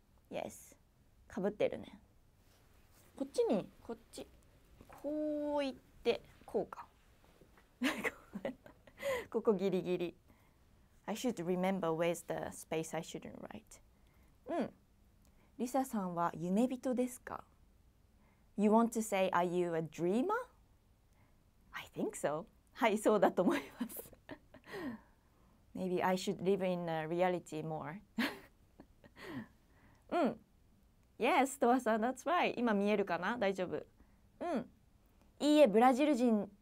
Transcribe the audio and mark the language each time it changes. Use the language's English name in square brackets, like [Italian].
[Japanese] Yes. かぶってるね。こっちに、こっち。こう行って、こうか。ここギリギリ。 [English] I should remember where's the space I shouldn't write. [Japanese] リサさんは夢人ですか? [English] You want to say, are you a dreamer? I think so. [Japanese] はい、そうだと思います。 [English] Maybe I should live in reality more. [Japanese] Yes, トワさん、 [English] that's right. [Japanese] 今見えるかな?大丈夫。いいえ、ブラジル人。